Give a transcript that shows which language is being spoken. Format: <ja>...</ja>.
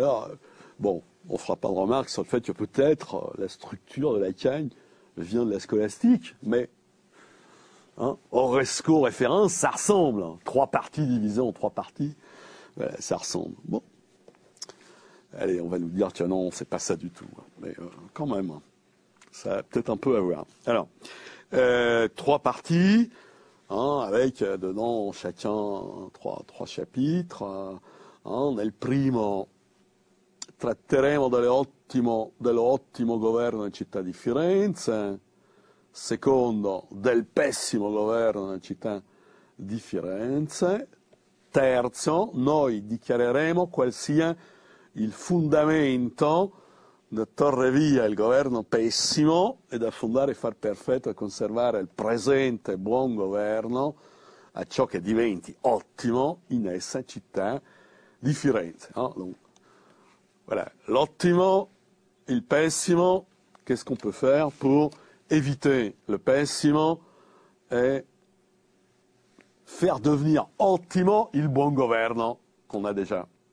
<fr>Alors, bon, on ne fera pas de remarques sur le fait que peut-être la structure de la Cagne vient de la scolastique, mais, hein, oresco référens, ça ressemble, hein, trois parties divisées en trois parties, voilà, ça ressemble, bon. Allez, on va nous dire que non, c'est pas ça du tout. Mais quand même, ça a peut-être un peu à voir. Alors, trois parties, hein, avec dedans chacun trois chapitres.</fr> <it>Hein, nel primo, tratteremo dell'ottimo governo in città di Firenze. Secondo, del pessimo governo in città di Firenze. Terzo, noi dichiareremo qualsiasi il fondamento da torre via il governo pessimo e da fondare e far perfetto e conservare il presente buon governo a ciò che diventi ottimo in essa città di Firenze.</it> <fr>Oh, donc, voilà, l'ottimo, il pessimo, qu'est-ce qu'on peut faire pour éviter le pessimo et faire devenir</fr> <it>ottimo il buon governo</it> <fr>qu'on a déjà.</fr>